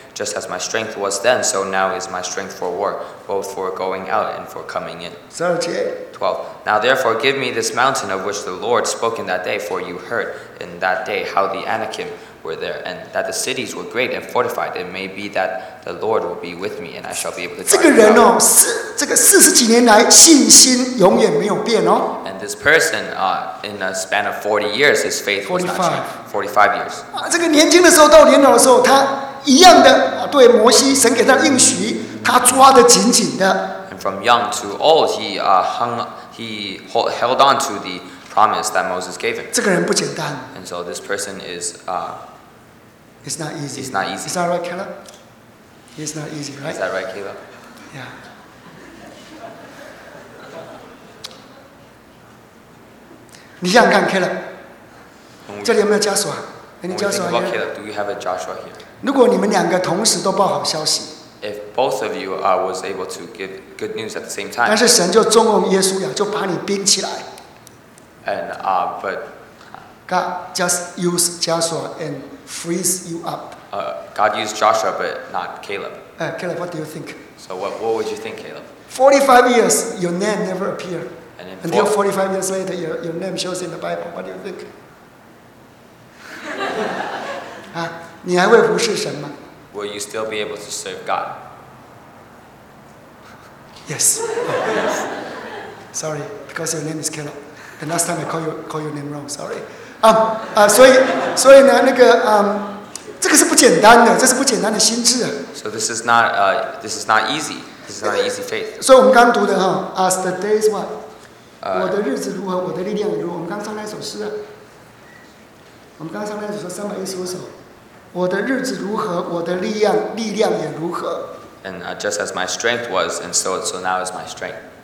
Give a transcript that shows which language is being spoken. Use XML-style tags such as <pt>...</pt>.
<en>Just as my strength was then, so now is my strength for war, both for going out and for coming in. 12. Now therefore give me this mountain of which the Lord spoke in that day, for you heard in that day how the Anakim were there, and that the cities were great and fortified. It may be that the Lord will be with me, and I shall be able to drive it out.</en> <zh>这个四十几年来信心永远没有变哦。</zh> <en>And this person, in a span of 40 years, his faith was not changed. 45 years.</en> <zh>这个年轻的时候到年老的时候，他一样的对摩西神给他应许，他抓得紧紧的。</zh> <en>And from young to old, he held on to the promise that Moses gave him.</en> <zh>这个人不简单。</zh> <en>And so this person is, it's not easy. It's not easy. Is that right, Caleb? It's not easy, right? Is that right, Caleb? Yeah.</en> <zh>你想看 Caleb， 这里有没有 Joshua？ 你 Joshua</zh> <en>here？ Caleb, do you have a Joshua here？</en> <zh>如果你们两个同时都报好消息</zh> <en>，If both of you was able to give good news at the same time，</en> <zh>但是神就重用耶稣呀，就把你冰起来。</zh> <en>And but God just use Joshua and freeze you up。 God used Joshua but not Caleb。 Caleb, what do you think？ So what would you think, Caleb？ 45 years, your name never appeared。 Until 45 years later, your name shows in the Bible. What do you think?</en> <zh>你还会服侍神吗？</zh> <en>Will you still be able to serve God? Yes. Sorry, because your name is Caleb. The last time I call your name wrong. Sorry.</en> <zh>所以呢，那个这个是不简单的，这是不简单的心智。</zh> <en>So this is not easy. This is not an easy faith.</en> <zh>所以我们刚读的哈 ，</zh> <en>As the days what?</en> <zh>我的日子如何，我的力量如何？我们刚唱那首诗啊。我们刚才上面说315首，我的日子如何，我的力量也如何。</zh> <en>And just as my strength was, and so now is my strength.</en>